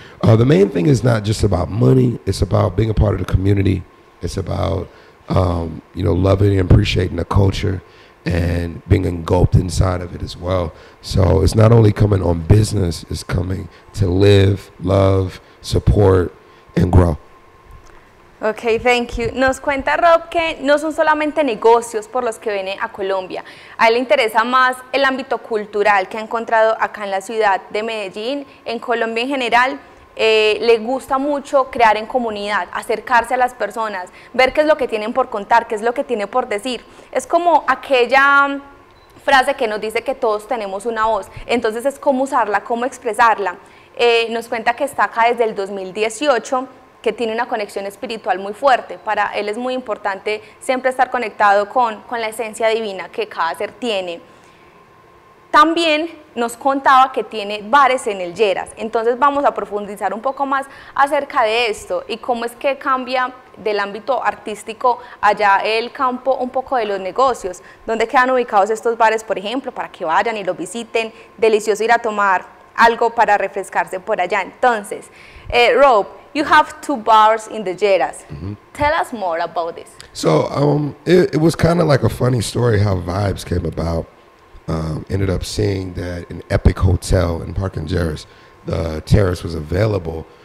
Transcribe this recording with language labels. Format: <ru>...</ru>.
<en>The main thing is not just about money, it's about being a part of the community. It's about, loving and appreciating the culture and being engulfed inside of it as well. So it's not only coming on business, it's coming to live, love, support, and grow. Okay, thank you.</en> <es>Nos cuenta Rob que no son solamente negocios por los que viene a Colombia. A él le interesa más el ámbito cultural que ha encontrado acá en la ciudad de Medellín. En Colombia en general, le gusta mucho crear en comunidad, acercarse a las personas, ver qué es lo que tienen por contar, qué es lo que tiene por decir. Es como aquella frase que nos dice que todos tenemos una voz. Entonces es cómo usarla, cómo expresarla. Nos cuenta que está acá desde el 2018, que tiene una conexión espiritual muy fuerte. Para él es muy importante siempre estar conectado con la esencia divina que cada ser tiene. También nos contaba que tiene bares en el Lleras. Entonces vamos a profundizar un poco más acerca de esto y cómo es que cambia del ámbito artístico allá el campo un poco de los negocios. ¿Dónde quedan ubicados estos bares, por ejemplo, para que vayan y los visiten? Delicioso ir a tomar algo para refrescarse por allá.</es> <en>Entonces, Rob, you have two bars in the Lleras. Mm-hmm. Tell us more about this. So it was kind of like a funny story how Vibes came about. Ended up seeing that an Epic Hotel in Park and Jerris, the terrace was available.</en>